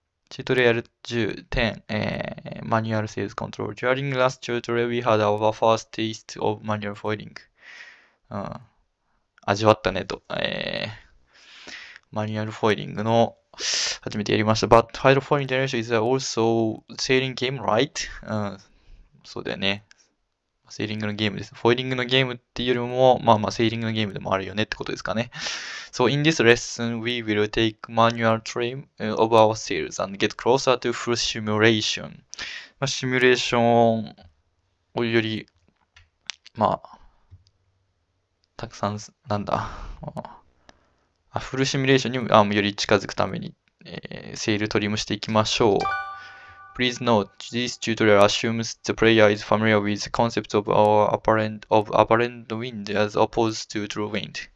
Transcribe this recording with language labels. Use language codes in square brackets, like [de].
[ja] チュートリアル10、マニュアルセールスコントロール。 [en] During last tutorial, we had our first taste of manual foiling. [ja] 味わったねと、マニュアルフォイリングの、初めてやりました。 [en] But Hydrofoil Generation is also a sailing game, right? [ja] そうだよね。セーリングのゲームです。フォイリングのゲームっていうよりも、まあまあ、セーリングのゲームでもあるよねってことですかね。 [en] So, in this lesson, we will take manual trim of our sails and get closer to full simulation. [ja] まあ、シミュレーションをより、まあ、たくさん、なんだ、あ、フルシミュレーションにあより近づくために、セールトリムしていきましょう。 [en] Please note, this tutorial assumes the player is familiar with the concept of apparent wind as opposed to true wind.